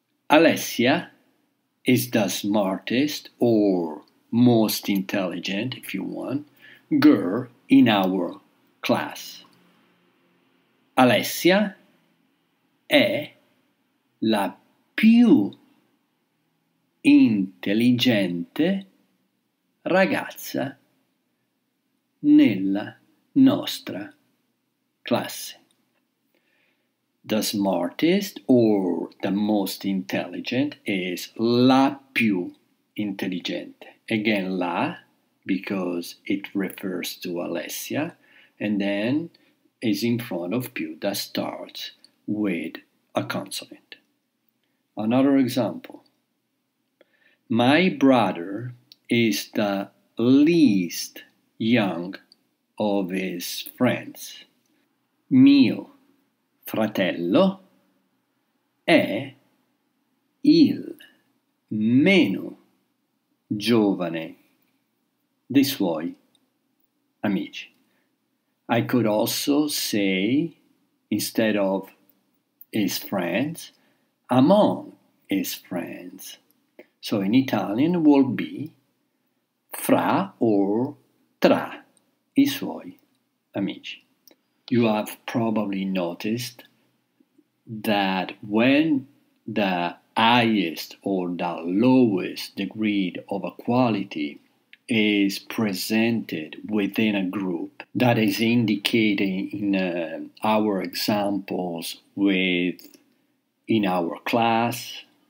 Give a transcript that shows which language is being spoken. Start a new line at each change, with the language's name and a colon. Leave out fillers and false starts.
English: Alessia is the smartest or most intelligent, if you want, girl in our class.
Italian: Alessia è la più intelligente ragazza nella nostra classe.
English: The smartest or the most intelligent is
Italian: la più intelligente.
English: Again, la, because it refers to Alessia, and then is in front of più that starts with a consonant. Another example. My brother is the least young of his friends.
Italian: Mio fratello è il meno giovane dei suoi amici.
English: I could also say, instead of his friends, among his friends. So in Italian will be fra or
Italian: tra i suoi amici.
English: You have probably noticed that when the highest or the lowest degree of a quality is presented within a group, that is indicated in our examples with in our class